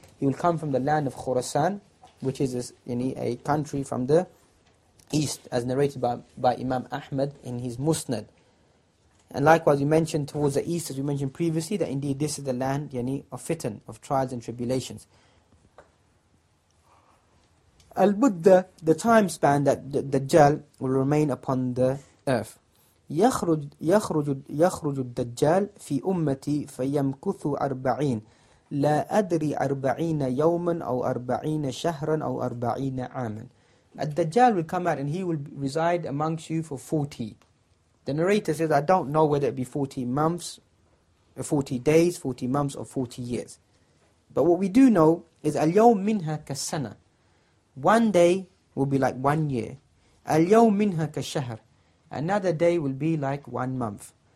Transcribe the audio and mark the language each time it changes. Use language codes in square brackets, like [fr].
[en] He will come from the land of Khurasan, which is a country from the east, as narrated by Imam Ahmad in his Musnad. And likewise, we mentioned towards the east, as we mentioned previously, that indeed this is the land of fitan, of trials and tribulations. Al-Buddha, the time span that the Dajjal will remain upon the earth. [ar] يخرج الدجال في أمتي فيمكث أربعين لا أدري أربعين يوما أو أربعين شهرا أو أربعين عاما. [en] The Dajjal will come out and he will reside amongst you for 40. The narrator says, I don't know whether it be 40 months, 40 days, 40 months, or 40 years. But what we do know is, [ar] al-yawm minha kasana. [en] One day will be like 1 year. [ar] Al-yawm minha kashahr. [en] Another day will be like 1 month.